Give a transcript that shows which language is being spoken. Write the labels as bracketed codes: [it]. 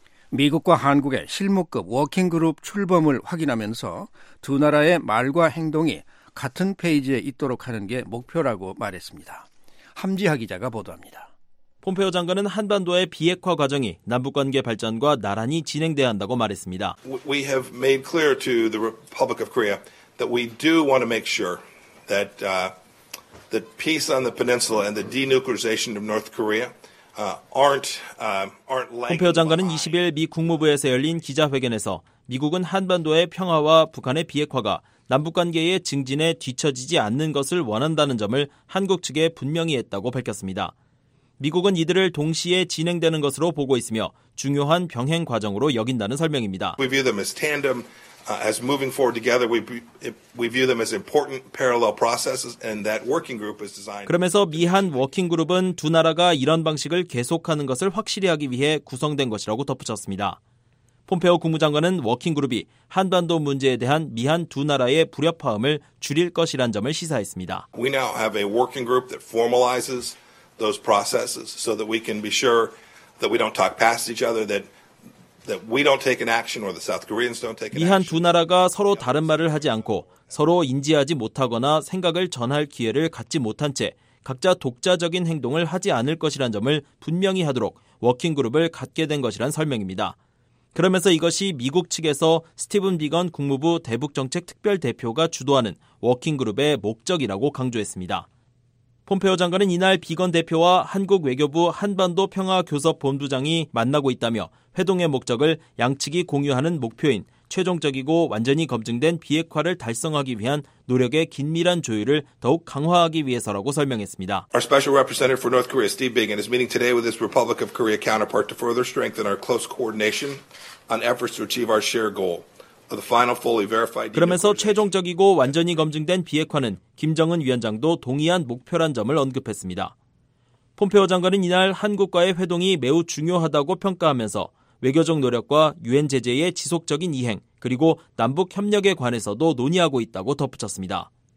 [ko] 미국과 한국의 실무급 워킹그룹 출범을 확인하면서 두 나라의 말과 행동이 같은 페이지에 있도록 하는 게 목표라고 말했습니다. 함지하 기자가 보도합니다. 폼페오 장관은 한반도의 비핵화 과정이 남북관계 발전과 나란히 진행돼야 한다고 말했습니다. [en] We have made clear to the Republic of Korea that we do want to make sure that that peace on the peninsula and the denuclearization of North Korea aren't lagging. [ko] 폼페오 장관은 20일 미 국무부에서 열린 기자회견에서 미국은 한반도의 평화와 북한의 비핵화가 남북관계의 증진에 뒤처지지 않는 것을 원한다는 점을 한국 측에 분명히 했다고 밝혔습니다. 미국은 이들을 동시에 진행되는 것으로 보고 있으며 중요한 병행 과정으로 여긴다는 설명입니다. [en] We view them as tandem, as moving forward together. We view them as important parallel processes, and that working group is designed. [ko] 그러면서 미한 워킹 그룹은 두 나라가 이런 방식을 계속하는 것을 확실히 하기 위해 구성된 것이라고 덧붙였습니다. 폼페오 국무장관은 워킹그룹이 한반도 문제에 대한 미한 두 나라의 불협화음을 줄일 것이란 점을 시사했습니다. [en] We now have a working group that formalizes those processes so that we can be sure that we don't talk past each other, that we don't take an action or the South Koreans don't take an action. [ko] 미한 두 나라가 서로 다른 말을 하지 않고 서로 인지하지 못하거나 생각을 전할 기회를 갖지 못한 채 각자 독자적인 행동을 하지 않을 것이란 점을 분명히 하도록 워킹그룹을 갖게 된 것이란 설명입니다. 그러면서 이것이 미국 측에서 스티븐 비건 국무부 대북정책특별대표가 주도하는 워킹그룹의 목적이라고 강조했습니다. 폼페오 장관은 이날 비건 대표와 한국 외교부 한반도평화교섭본부장이 만나고 있다며 회동의 목적을 양측이 공유하는 목표인 최종적이고 완전히 검증된 비핵화를 달성하기 위한 노력의 긴밀한 조율을 더욱 강화하기 위해서라고 설명했습니다. [en] Our special representative for North Korea, Steve Biegun, is meeting today with his Republic of Korea counterpart to further strengthen our close coordination on efforts to achieve our shared goal of the final fully verified. [ko] 그러면서 최종적이고 완전히 검증된 비핵화는 김정은 위원장도 동의한 목표란 점을 언급했습니다. 폼페오 장관은 이날 한국과의 회동이 매우 중요하다고 평가하면서 외교적 노력과 유엔 제재의 지속적인 이행 그리고 남북 협력에 관해서도 논의하고 있다고 덧붙였습니다.